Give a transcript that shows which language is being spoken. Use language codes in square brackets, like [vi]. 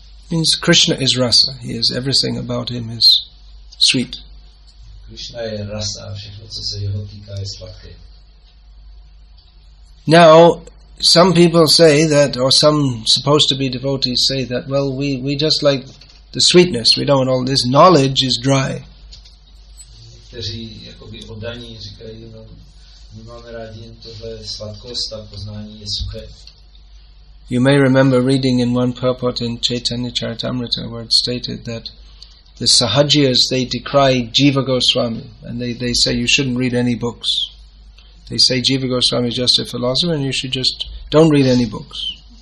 [en] Means Krishna is rasa. He is everything about him is sweet. [cs] Krishna je rasa, všechno co se jeho týká je sladké. [en] Now, some people say that, or some supposed to be devotees say that, well, we just like the sweetness. We don't want all this. Knowledge is dry. [cs] Někteří jakoby oddaní říkají, no, my máme rádi jen tohle sladkost a poznání je suché. [en] You may remember reading in one purport in Chaitanya Charitamrita where it stated that the Sahajiyas, they decry Jiva Goswami, and they say you shouldn't read any books. They say Jiva Goswami is just a philosopher and you should just don't read any books.